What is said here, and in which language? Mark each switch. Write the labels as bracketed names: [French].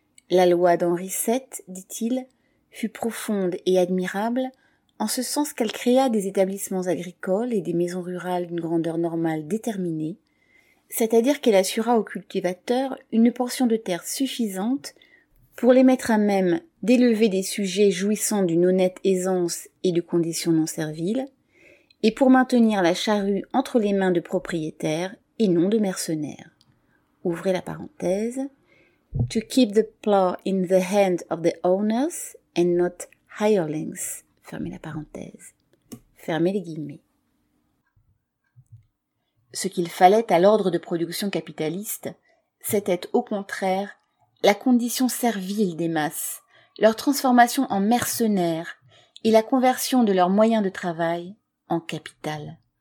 [French] La loi d'Henri VII, dit-il, fut profonde et admirable en ce sens qu'elle créa des établissements agricoles et des maisons rurales d'une grandeur normale déterminée, c'est-à-dire qu'elle assura aux cultivateurs une portion de terre suffisante pour les mettre à même d'élever des sujets jouissant d'une honnête aisance et de conditions non serviles, et pour maintenir la charrue entre les mains de propriétaires et non de mercenaires. Ouvrez la parenthèse. [English] To keep the plow in the hand of the owners and not hirelings. [French] Fermez la parenthèse. Fermez les guillemets. Ce qu'il fallait à l'ordre de production capitaliste, c'était au contraire la condition servile des masses, leur transformation en mercenaires et la conversion de leurs moyens de travail en capital.